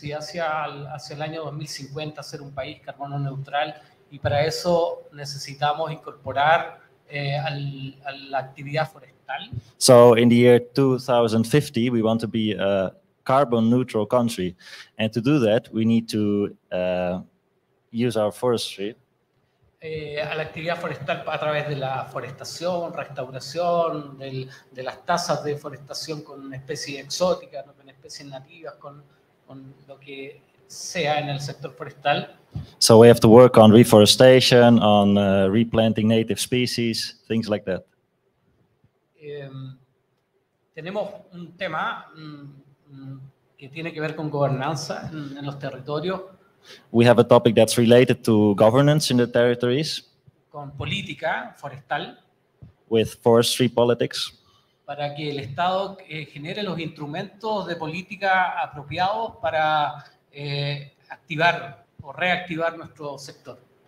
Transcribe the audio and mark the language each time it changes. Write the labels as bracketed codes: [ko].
[es] Sí, hacia el año 2050 ser un país carbono neutral, y para eso necesitamos incorporar a la actividad forestal. [en] So in the year 2050, we want to be a carbon neutral country, and to do that, we need to use our forestry. [es] A la actividad forestal a través de la forestación, restauración, de las tasas de forestación con especies exóticas, con especies nativas, con lo que sea en el sector forestal. [en] So we have to work on reforestation, on replanting native species, things like that. [es] Tenemos un tema que tiene que ver con gobernanza en los territorios. [en] We have a topic that's related to governance in the territories. [es] Con política forestal. [en] With forestry politics. [es] Para que el Estado genere los instrumentos de política apropiados para activar o reactivar nuestro sector.